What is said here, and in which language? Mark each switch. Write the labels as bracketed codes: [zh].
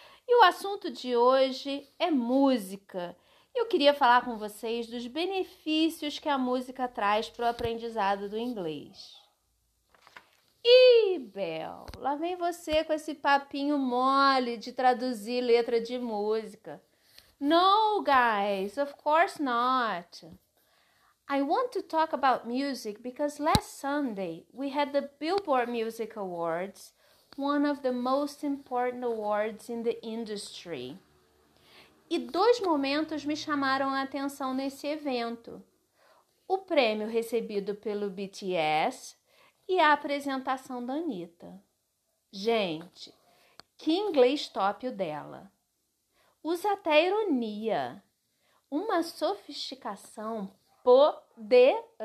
[pt] E o assunto de hoje é música. Eu queria falar com vocês dos benefícios que a música traz para o aprendizado do inglês. Ih, Bel, lá vem você com esse papinho mole de traduzir letra de música. [en] No, guys, of course not. I want to talk about music because last Sunday we had the Billboard Music Awards, one of the most important awards in the industry. [pt] E dois momentos me chamaram a atenção nesse evento. O prêmio recebido pelo BTS e a apresentação da Anitta. Gente, que inglês top o dela. Usa até ironia, uma sofisticação poderosa.